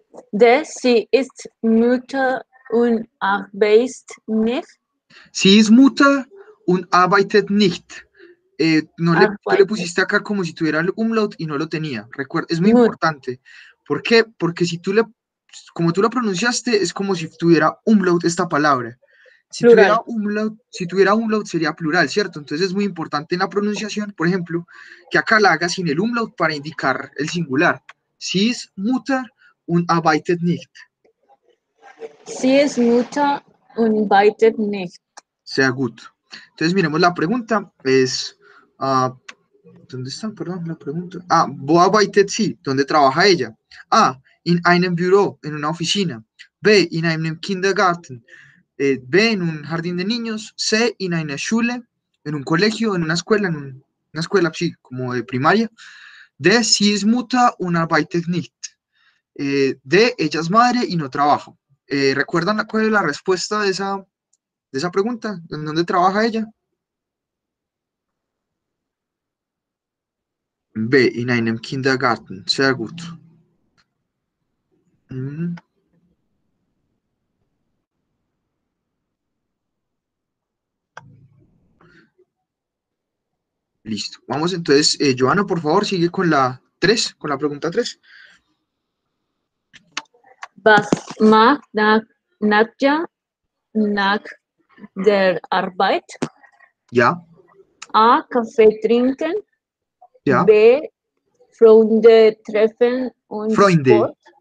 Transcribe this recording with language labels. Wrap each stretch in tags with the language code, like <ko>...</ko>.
<de>De, sie ist Mutter und arbeitet nicht. Sie ist Mutter und arbeitet nicht.</de> <es>No le, tú le pusiste acá como si tuviera el umlaut y no lo tenía. Recuerda, es muy importante. ¿Por qué? Porque si tú le, como tú lo pronunciaste, es como si tuviera umlaut esta palabra. Si plural. Tuviera umlaut, si tuviera umlaut sería plural, ¿cierto? Entonces es muy importante en la pronunciación, por ejemplo, que acá la haga sin el umlaut para indicar el singular.</es> <de>Sie ist Mutter und arbeitet nicht. Sie ist Mutter und arbeitet nicht. Sehr gut.</de> <es>Entonces miremos la pregunta, es, ¿dónde está? Perdón, la pregunta. Ah,</es> <de>wo arbeitet sie?</de> <es>¿Dónde trabaja ella?</es> <de>A, in einem Büro,</de> <es>en una oficina.</es> <de>B, in einem Kindergarten.</de> <es>B, en un jardín de niños. C,</es> <de>in einer Schule,</de> <es>en un colegio, en una escuela, una escuela, sí, como de primaria.</es> <de>D, sie ist Mutter und arbeitet nicht.</de> <es>D, ella es madre y no trabaja. ¿Recuerdan cuál es la respuesta de esa... de esa pregunta, ¿en dónde trabaja ella?</es> <de>B, in einem Kindergarten. Sehr gut.</de> <es>Listo. Vamos entonces, Joana, por favor, sigue con la 3, con la pregunta 3.</es> <de>Was macht Nadja nach der Arbeit? Ja. A, Kaffee trinken. Ja. B, Freunde treffen und Freunde. Sport.</de>